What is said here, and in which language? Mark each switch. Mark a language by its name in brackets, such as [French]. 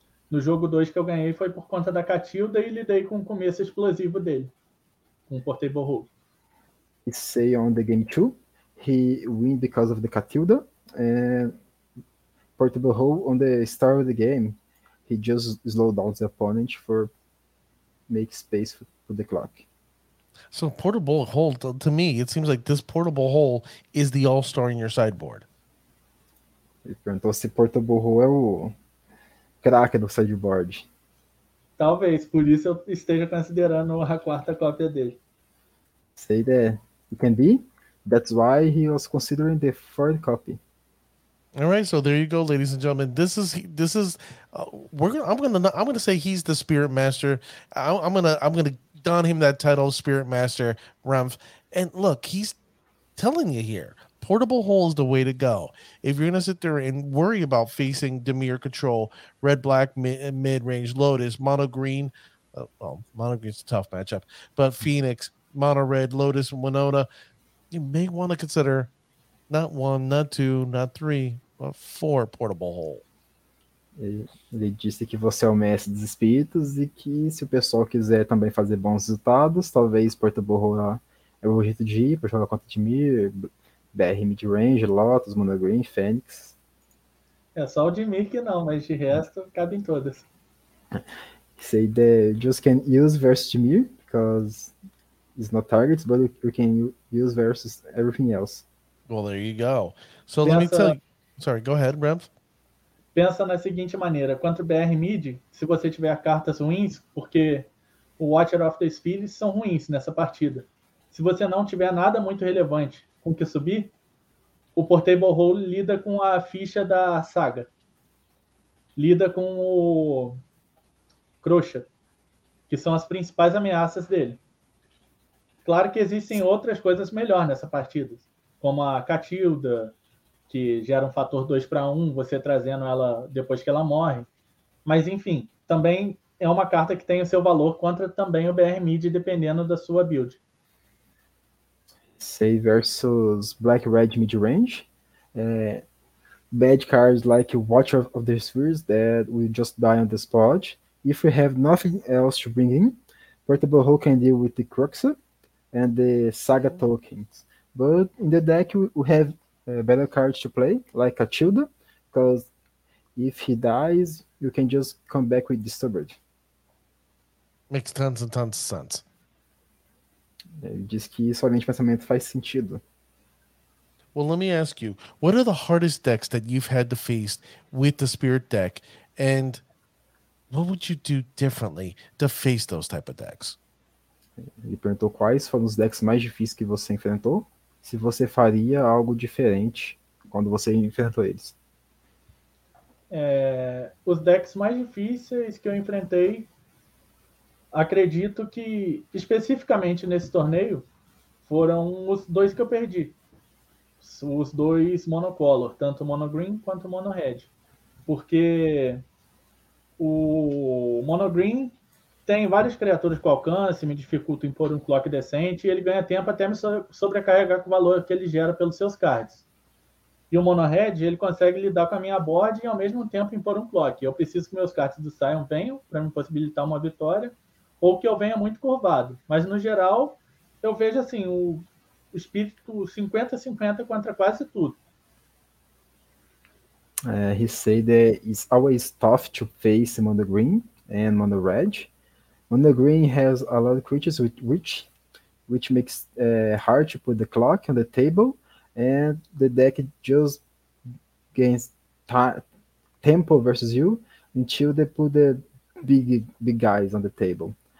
[Portuguese] No jogo 2 que eu ganhei foi por conta da Catilda e lidei com o começo explosivo dele. Com o Portable Hole. [English] He say on the game 2, he win because of the Catilda. And Portable Hole on the start of the game, he just slowed down the opponent for make space for the clock. So Portable Hole, to me, it seems like this Portable Hole is the all-star in your sideboard. [Portuguese] Ele perguntou se Portable Hole é o craque do sideboard. Talvez, por isso eu esteja considerando a quarta cópia dele. [English] Say that it can be. That's why he was considering the fourth copy. All right, so there you go, ladies and gentlemen. I'm gonna say he's the spirit master. I'm gonna don him that title, Spirit Master Rumpf. And look, he's telling you here, Portable Hole is the way to go. If you're gonna sit there and worry about facing Dimir Control, red black mid range Lotus, mono green, well, mono green's a tough matchup, but Phoenix, Mono Red, Lotus, and Winona, you may want to consider not one, not two, not three, but four portable hole. [Portuguese] Ele disse que você é o mestre dos espíritos e que se o pessoal quiser também fazer bons resultados, talvez portable hole é o jeito de ir para jogar contra Dimir, BR Midrange, Lotus, Mono Green, Fênix. É só o Dimir que não, mas de resto cabe em todas. [English] Say the just can use versus Dimir because it's not targets, but you can use versus everything else. Well, there you go. So [Portuguese] pensa, [English] let me tell you. Sorry, go ahead, Brent. [Portuguese] Pensa na seguinte maneira: contra o BR Mid, se você tiver cartas ruins, porque o Watcher of the Spirits são ruins nessa partida. Se você não tiver nada muito relevante com que subir, o Portable Hole lida com a ficha da saga. Lida com o Crusher, que são as principais ameaças dele. Claro que existem outras coisas melhor nessa partida, como a Catilda, que gera um fator 2 para 1, você trazendo ela depois que ela morre. Mas, enfim, também é uma carta que tem o seu valor contra também o BR Mid, dependendo da sua build. [English] Say versus Black Red Mid Range. Bad cards like Watcher of the Spheres that will just die on the spot. If we have nothing else to bring in, Portable Hole can deal with the Cruxa and the Saga tokens. But in the deck, we have better cards to play, like Catilda, because if he dies, you can just come back with Disturbed. Makes tons and tons of sense. [Portuguese] Ele diz que somente pensamento faz sentido. [English] Well, let me ask you, what are the hardest decks that you've had to face with the Spirit deck, and what would you do differently to face those type of decks? [Portuguese] Ele perguntou quais foram os decks mais difíceis que você enfrentou, se você faria algo diferente quando você enfrentou eles. Os decks mais difíceis que eu enfrentei, acredito que especificamente nesse torneio, foram os dois que eu perdi. Os dois monocolor, tanto mono green quanto mono red. Porque o mono green tem várias criaturas com alcance, me dificulta impor um clock decente, e ele ganha tempo até me sobrecarregar com o valor que ele gera pelos seus cards. E o mono red, ele consegue lidar com a minha board e ao mesmo tempo impor um clock. Eu preciso que meus cards do Sion venham para me possibilitar uma vitória, ou que eu venha muito curvado. Mas, no geral, eu vejo assim o espírito 50-50 contra quase tudo. [English] He said that it's always tough to face mono green and mono red. Mono green has a lot of creatures with reach, which makes hard to put the clock on the table, and the deck just gains tempo versus you until they put the big guys on the table.